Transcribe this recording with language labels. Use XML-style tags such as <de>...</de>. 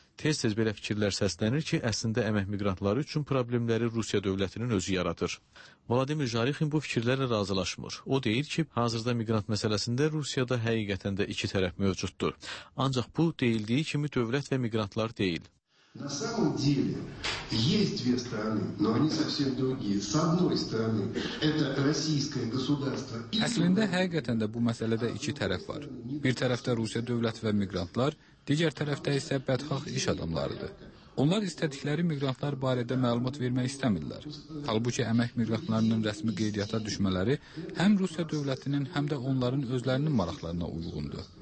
<az>Tez-tez belə fikirlər səslənir ki, əslində əmək miqrantları üçün problemləri Rusiya dövlətinin özü yaradır. Vladimir Zarixin bu fikirlərlə razılaşmır. O deyir ki, hazırda miqrant məsələsində Rusiyada həqiqətən də iki tərəf mövcuddur. Ancaq bu, deyildiyi kimi dövlət və miqrantlar deyil.</az> <ru>На самом деле есть две страны, но они совсем другие. С одной стороны это российское государство.</ru> <az>Əslində həqiqətən də bu məsələdə iki tərəf var. Bir tərəfdə Rusiya dövləti və miqrantlar, digər tərəfdə isə bədxax iş adamlarıdır. Onlar istədikləri miqrantlar barədə məlumat vermək istəmirlər. Halbuki əmək miqrantlarının rəsmi qeydiyyata düşmələri həm Rusiya dövlətinin, həm də onların özlərinin maraqlarına uyğundur.</az>